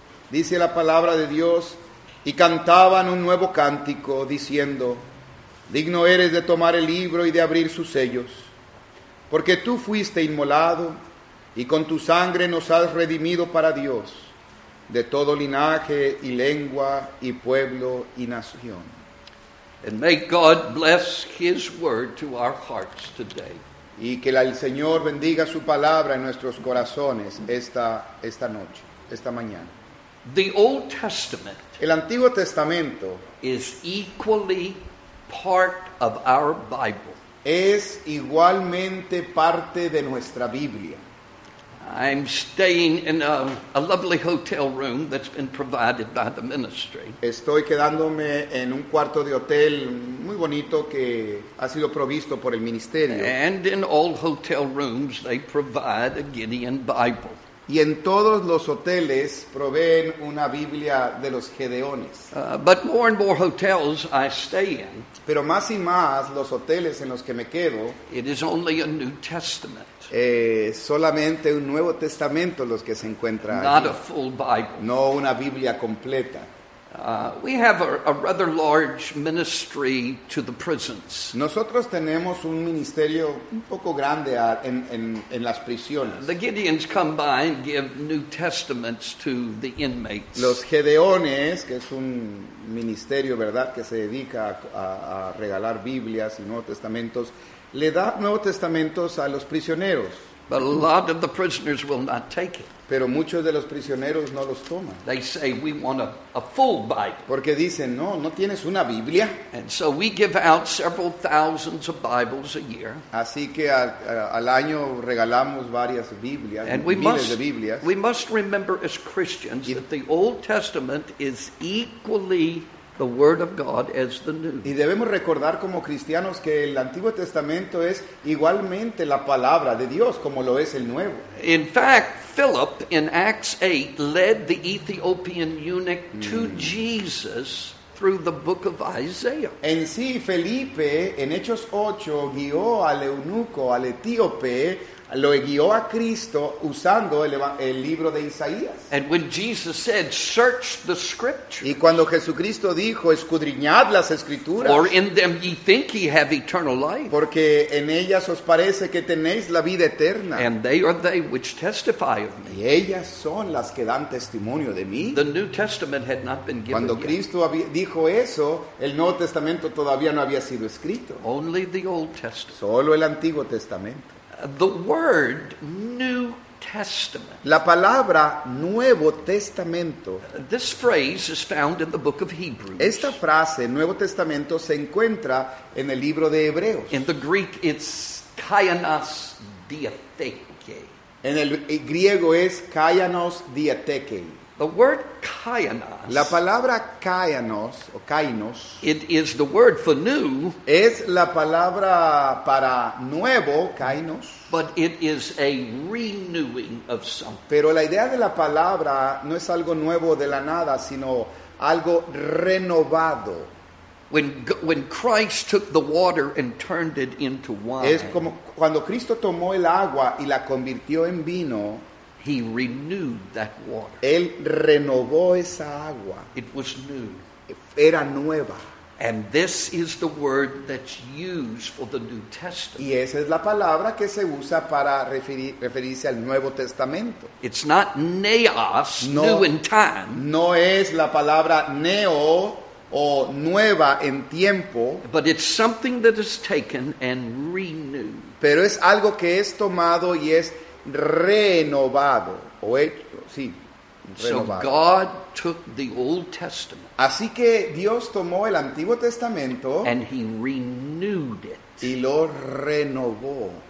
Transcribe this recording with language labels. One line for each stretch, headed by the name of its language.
Spanish: Dice la palabra de Dios, y cantaban un nuevo cántico diciendo, digno eres de tomar el libro y de abrir sus sellos, porque tú fuiste inmolado y con tu sangre nos has redimido para Dios de todo linaje y lengua y pueblo y nación.
English: And may God bless His word to our hearts today.
Spanish: Y que el Señor bendiga su palabra en nuestros corazones esta noche, esta mañana.
English: The Old Testament,
Spanish: el Antiguo Testamento,
English: is equally part of our Bible.
Spanish: Es igualmente parte de nuestra Biblia.
English: I'm staying in a lovely hotel room that's been provided by the ministry.
Spanish: Estoy quedándome en un cuarto de hotel muy bonito que ha sido provisto por el ministerio.
English: And in all hotel rooms they provide a Gideon Bible.
Spanish: Y en todos los hoteles proveen una Biblia de los Gedeones.
English: But more and more hotels I stay in.
Spanish: Pero más y más los hoteles en los que me quedo.
English: It is only a New Testament.
Spanish: Solamente un Nuevo Testamento los que se encuentran.
English: Not a full Bible.
Spanish: No una Biblia completa.
English: We have a rather large ministry to the prisons.
Spanish: Nosotros tenemos un ministerio un poco grande en las prisiones.
English: The Gideons come by and give New Testaments to the inmates.
Spanish: Los Gedeones, que es un ministerio, ¿verdad?, que se dedica a regalar Biblias y Nuevos Testamentos, le da Nuevos Testamentos a los prisioneros.
English: But a lot of the prisoners will not take it.
Spanish: Pero muchos de los prisioneros no los toman.
English: They say we want a full Bible.
Spanish: Porque dicen, no, no tienes una Biblia.
English: And so we give out several thousands of Bibles a year.
Spanish: Así que al año regalamos varias Biblias,
English: and
Spanish: miles de Biblias.
English: We must remember as Christians that the Old Testament is equally the word of God as the new.
Spanish: Y debemos recordar como cristianos que el Antiguo Testamento es igualmente la palabra de Dios como lo es el Nuevo.
English: In fact, Philip in Acts 8 led the Ethiopian eunuch to Jesus through the book of Isaiah.
Spanish: En sí, Felipe en Hechos 8 guió al eunuco, al etíope, lo guió a Cristo usando el libro de Isaías.
English: And when Jesus said, "Search the Scriptures,"
Spanish: y cuando Jesucristo dijo, escudriñad las Escrituras,
English: "for in them ye think ye have eternal life,"
Spanish: porque en ellas os parece que tenéis la vida eterna,
English: "and they are they which testify of me,"
Spanish: y ellas son las que dan testimonio de mí.
English: The New Testament had not been given.
Spanish: Cuando Cristo dijo eso, el Nuevo Testamento todavía no había sido escrito.
English: Only the Old Testament.
Spanish: Solo el Antiguo Testamento.
English: The word New Testament.
Spanish: La palabra Nuevo Testamento.
English: This phrase is found in the book of Hebrews.
Spanish: Esta frase, Nuevo Testamento, se encuentra en el libro de Hebreos.
English: In the Greek, it's kainos diatheke.
Spanish: En el griego es kainos diatheke.
English: The word kainos,
Spanish: la palabra kainos o kainos,
English: it is the word for new,
Spanish: es la palabra para nuevo, kainos,
English: but it is a renewing of something.
Spanish: Pero la idea de la palabra no es algo nuevo de la nada, sino algo renovado.
English: When Christ took the water and turned it into wine,
Spanish: es como cuando Cristo tomó el agua y la convirtió en vino.
English: He renewed that water.
Spanish: Él renovó esa agua.
English: It was new.
Spanish: Era nueva.
English: And this is the word that's used for the New Testament.
Spanish: Y esa es la palabra que se usa para referirse al Nuevo Testamento.
English: It's not neos,
Spanish: no,
English: new in time.
Spanish: No es la palabra neo o nueva en tiempo.
English: But it's something that is taken and renewed.
Spanish: Pero es algo que es tomado y es renovado o hecho, sí, renovado.
English: So God took the Old Testament.
Spanish: Así que Dios tomó el Antiguo Testamento
English: and he renewed it.
Spanish: Y lo renovó.